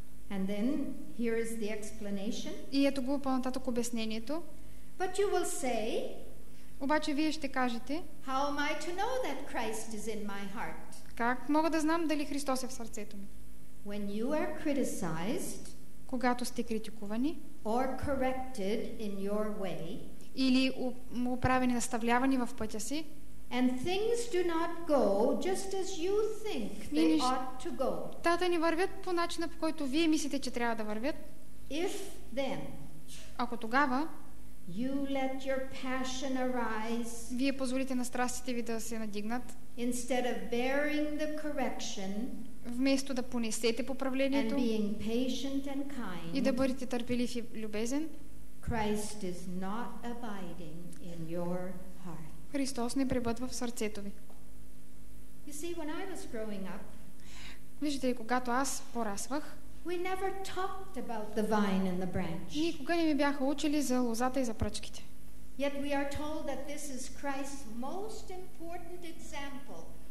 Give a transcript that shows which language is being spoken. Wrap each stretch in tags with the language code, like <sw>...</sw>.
<en>And then, here is the explanation.</en> <bg>И ето го по-нататък обяснението.</bg> <en>But you will say,</en> <bg>обаче вие ще кажете,</bg> <en>how am I to know that Christ is in my heart?</en> <bg>Как мога да знам дали Христос е в сърцето ми?</bg> <en>When you are criticized,</en> <bg>когато сте критикувани,</bg> <en>or corrected in your way,</en> <bg>или управени, наставлявани в пътя си,</bg> <en>and things do not go just as you think they ought to go.</en> <bg>Тата не вървят по начина, по който вие мислите, че трябва да вървят.</bg> <en>If then,</en> <bg>ако тогава,</bg> <en>you let your passion arise,</en> <bg>вие позволите на страстите ви да се надигнат,</bg> <en>instead of bearing the correction,</en> <bg>вместо да понесете поправлението</bg> <en>kind,</en> <bg>и да бъдете търпелив и любезен,</bg> <en>Christ is not abiding in your heart.</en> <bg>Христос не пребъдва в сърцето ви.</bg> <en>You see, when I was growing up,</en> <bg>виждате ли, когато аз порасвах,</bg> <en>we never talked about the vine and the branch.</en> <bg>Никога не ми бяха учили за лозата и за пръчките.</bg> <en>Yet we are told that this is Christ's most important example.</en>